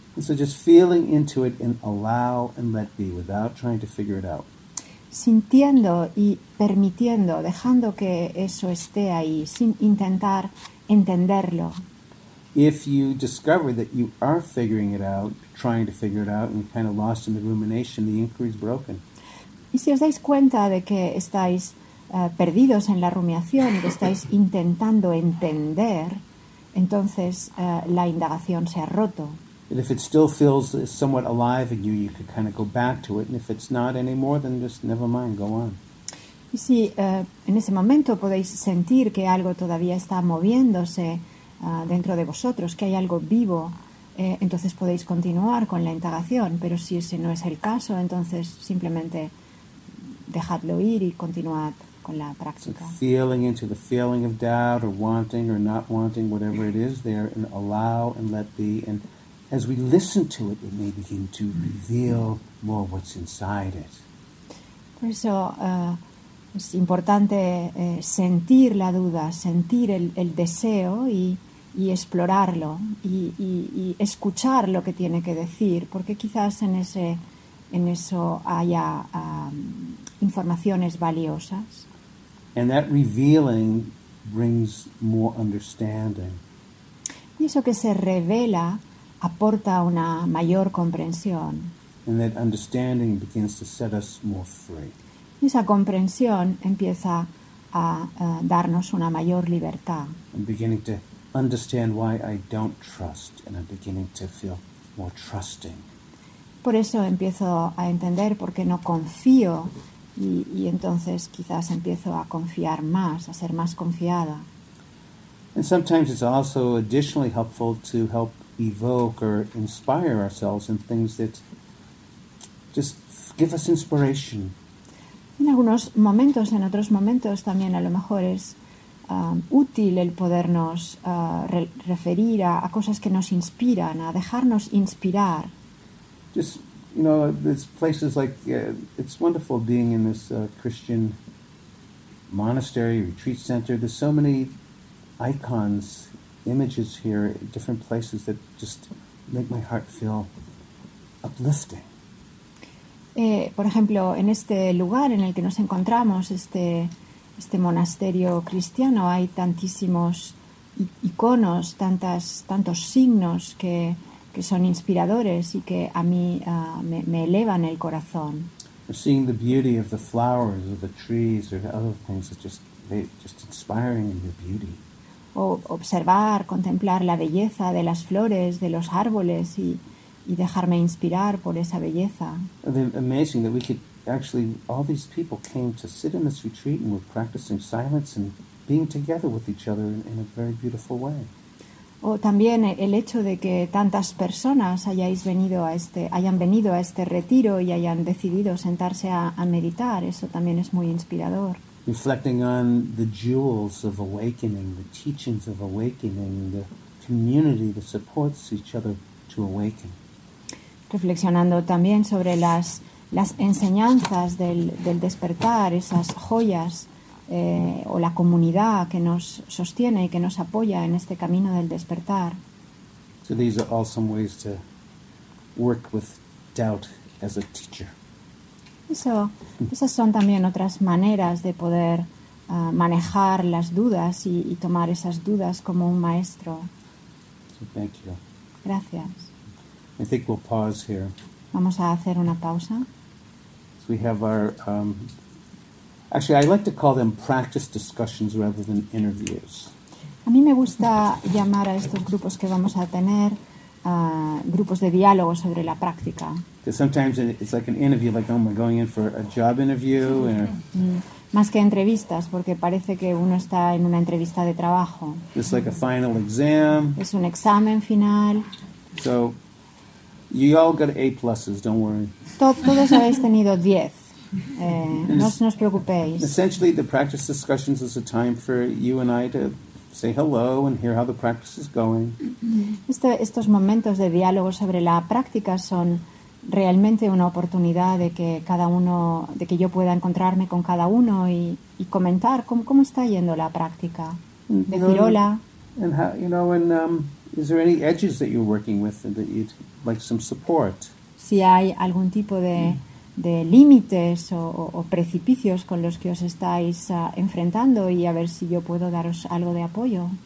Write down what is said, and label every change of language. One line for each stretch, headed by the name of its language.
English: And so just feeling into it and allow and let be without trying to figure it out.
Spanish: Sintiendo y permitiendo, dejando que eso esté ahí, sin intentar entenderlo.
English: If you discover that you are figuring it out, trying to figure it out, and you're kind of lost in the rumination, the inquiry is broken.
Spanish: Y si os dais cuenta de que estáis perdidos en la rumiación, que estáis intentando entender, entonces la indagación se ha roto.
English: And if it still feels somewhat alive in you, you could kind of go back to it. And if it's not anymore, then just never mind, go on.
Spanish: Y si en ese momento podéis sentir que algo todavía está moviéndose dentro de vosotros, que hay algo vivo, entonces podéis continuar con la indagación. Pero si ese no es el caso, entonces simplemente dejadlo ir y continuad con la práctica.
English: So feeling into the feeling of doubt or wanting or not wanting, whatever it is there, and allow and let be and... As we listen to it, it may begin to reveal more what's inside it.
Spanish: Por eso es importante sentir la duda, sentir el deseo y explorarlo y escuchar lo que tiene que decir, porque quizás en eso haya informaciones valiosas.
English: And that revealing brings more understanding.
Spanish: Y eso que se revela aporta una mayor comprensión.
English: And that understanding begins to set us more free.
Spanish: Y esa comprensión empieza a darnos una mayor libertad.
English: I'm beginning to understand why I don't trust, and I'm beginning to feel more trusting.
Spanish: Por eso empiezo a entender por qué no confío, y entonces quizás empiezo a confiar más, a ser más confiada.
English: And sometimes it's also additionally helpful to help evoke or inspire ourselves in things that just give us inspiration.
Spanish: En algunos momentos, en otros momentos, también a lo mejor es útil el podernos referir a cosas que nos inspiran, a dejarnos inspirar.
English: Just, you know, there's places like, it's wonderful being in this Christian monastery, retreat center. There's so many icons, images here, different places that just make my heart feel uplifting.
Spanish: Por ejemplo, en este lugar en el que nos encontramos, este monasterio cristiano, hay tantísimos iconos, tantos signos que son inspiradores y que a mí me elevan el corazón.
English: Seeing the beauty of the flowers or the trees or other things is just inspiring in your beauty.
Spanish: O observar, contemplar la belleza de las flores, de los árboles y dejarme inspirar por esa belleza.
English: Amazing that we could actually, all these people came to sit in this retreat and were practicing silence and being together with each other in a very beautiful way.
Spanish: O también el hecho de que tantas personas hayan venido a este retiro y hayan decidido sentarse a meditar, eso también es muy inspirador.
English: Reflecting on the jewels of awakening, the teachings of awakening, the community that supports each other to awaken.
Spanish: Reflexionando también sobre las enseñanzas del despertar, esas joyas o la comunidad que nos sostiene y que nos apoya en este camino del despertar.
English: So these are all some ways to work with doubt as a teacher.
Spanish: Esas son también otras maneras de poder manejar las dudas y tomar esas dudas como un maestro.
English: So thank you.
Spanish: Gracias.
English: I think we'll pause here.
Spanish: Vamos a hacer una pausa.
English: So we have our, actually, I like to call them practice discussions rather than interviews.
Spanish: A mí me gusta llamar a estos grupos que vamos a tener grupos de diálogo sobre la práctica.
English: Because sometimes it's like an interview, like, oh, am I going in for a job interview? Or...
Spanish: Más que entrevistas, porque parece que uno está en una entrevista de trabajo.
English: It's like a final exam.
Spanish: Es un examen final.
English: So... You all got A pluses, don't worry.
Spanish: Todos habéis tenido 10. No os preocupéis.
English: Essentially, the practice discussions is a time for you and I to say hello and hear how the practice is going.
Spanish: Estos momentos de diálogo sobre la práctica son realmente una oportunidad de que yo pueda encontrarme con cada uno y comentar cómo está yendo la práctica. Decir hola.
English: And how, you know, and is there any edges that you're working with that you'd like some support?
Spanish: Si hay algún tipo de límites o precipicios con los que os estáis enfrentando y a ver si yo puedo daros algo de apoyo.